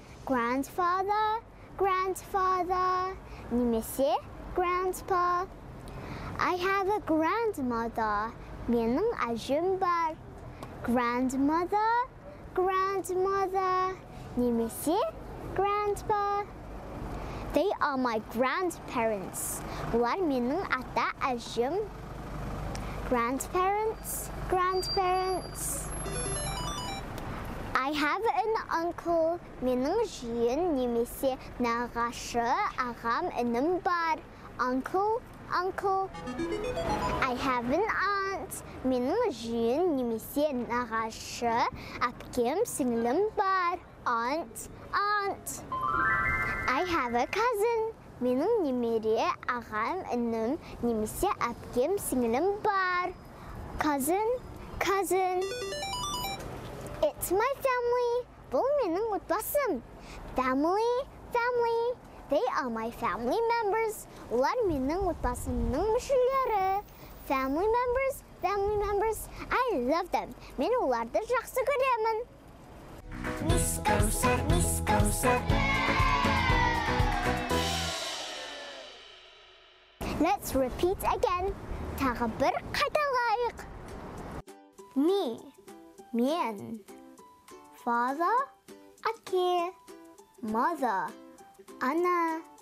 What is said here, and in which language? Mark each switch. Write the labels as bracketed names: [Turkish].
[English] Grandfather, grandfather. [Kazakh] Немесе grandpa. [English] I have a grandmother. [Kazakh] Менің әжім бар. [English] Grandmother, grandmother. [Kazakh] Немесе, grandpa. [English] They are my grandparents. [Kazakh] Олар менің ата әжім. [English] Grandparents, grandparents. I have an uncle. [Kazakh] Менің жиен немесе нағашы ағам інім бар. [English] Uncle, uncle. I have an aunt. [Kazakh] Менің жиен немесе нағашы әпкем сіңілім бар. [English] Aunt, aunt. I have a cousin. [Kazakh] Менің немере ағам інім немесе әпкем сіңілім бар. [English] Cousin, cousin. It's my family. [Kazakh] Бұл менің отбасым. [English] Family, family. They are my family members. [Kazakh] Олар менің отбасымның мүшелері. [English] Family members, family members. I love them. [Kazakh] Мен оларды жақсы көремін. [English] Miss Kaussar, Miss Kaussar. Let's repeat again. [Kazakh] Тағы бір қайталайық. [English] Me. Мен. Father. Әке. Mother. Ана.